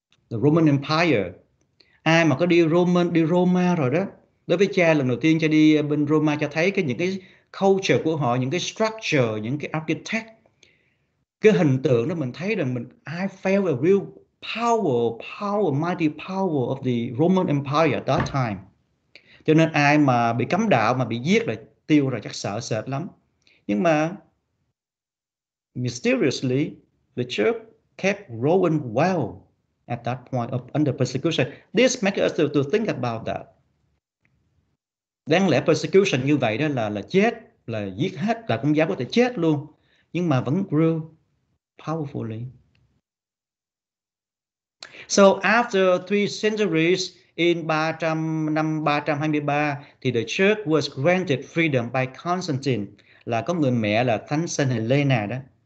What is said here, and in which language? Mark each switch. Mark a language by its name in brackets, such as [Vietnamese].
[Vietnamese] The Roman Empire, ai mà có đi Roma rồi đó, đối với cha lần đầu tiên cha đi bên Roma, cha thấy cái những cái culture của họ, những cái structure, những cái architect, cái hình tượng đó, mình thấy là mình [English] I felt a real power, mighty power of the Roman Empire at that time. [Vietnamese] Cho nên ai mà bị cấm đạo mà bị giết là tiêu rồi, chắc sợ sệt lắm. Nhưng mà [English] mysteriously the church kept growing well at that point of under persecution. This makes us to think about that. [Vietnamese] Đáng lẽ persecution như vậy đó là chết, là giết hết, là công giáo có thể chết luôn, nhưng mà vẫn [English] grew powerfully. So after three centuries in 300, [Vietnamese] năm 323 thì [English] the church was granted freedom by Constantine, [Vietnamese] là có người mẹ là Thánh [English] Saint Helena đó.